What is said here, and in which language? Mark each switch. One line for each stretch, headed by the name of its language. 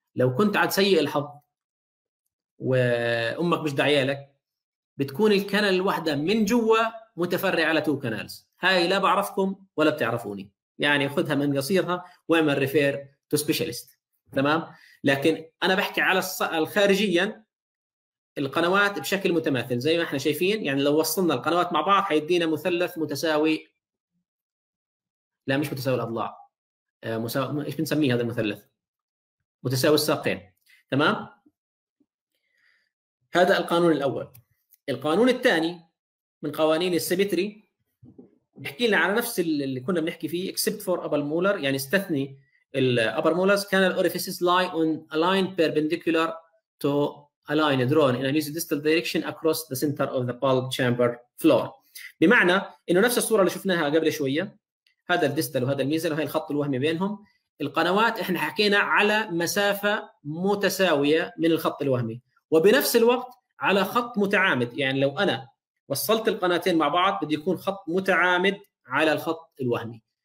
Arabic: لو كنت عاد سيء الحظ وامك مش دعيالك بتكون الكنال الواحده من جوا متفرعه على 2 كانالز، هاي لا بعرفكم ولا بتعرفوني، يعني خذها من قصيرها واعمل ريفير تو سبيشاليست، تمام؟ لكن انا بحكي على الخارجيا القنوات بشكل متماثل زي ما احنا شايفين. يعني لو وصلنا القنوات مع بعض حيدينا مثلث متساوي، لا مش متساوي الاضلاع، ايش بنسميه هذا المثلث؟ متساوي الساقين، تمام؟ هذا القانون الأول. القانون الثاني من قوانين السيمتري بيحكي لنا على نفس اللي كنا بنحكي فيه
English: except for upper molar،
Arabic: يعني استثني الـ
English: upper molars كان الـ orifices lie on a line perpendicular to a line drawn in a mesiodistal direction across the center of the bulb chamber floor.
Arabic: بمعنى إنه نفس الصورة اللي شفناها قبل شوية، هذا الديستال وهذا الميزل وهي الخط الوهمي بينهم، القنوات احنا حكينا على مسافة متساوية من الخط الوهمي، وبنفس الوقت على خط متعامد. يعني لو انا وصلت القناتين مع بعض بدي يكون خط متعامد على الخط الوهمي.